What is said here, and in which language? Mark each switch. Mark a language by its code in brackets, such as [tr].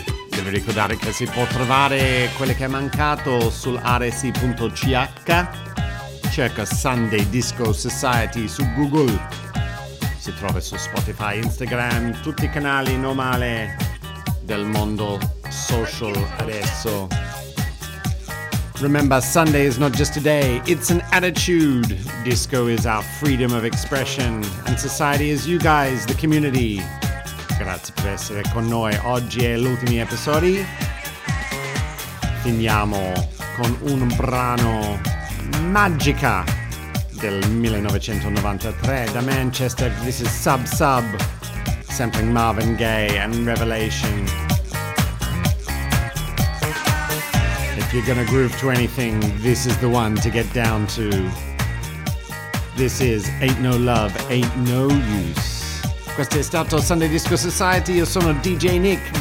[it] Devo ricordare che si può trovare quello che è mancato sul rsi.ch. Cerca Sunday Disco Society su Google. Si trova su Spotify, Instagram, tutti i canali normali del mondo social adesso. [en] Remember, Sunday is not just a day, it's an attitude. Disco is our freedom of expression, and society is you guys, the community. [it] Grazie per essere con noi. Oggi è l'ultimo episodio. Finiamo con un brano magica del 1993 da Manchester. [en] This is Sub Sub, sampling Marvin Gaye and Revelation. You're gonna groove to anything, this is the one to get down to. This is Ain't No Love, Ain't No Use. [it] Questo è stato Sunday Disco Society, io sono DJ Nick.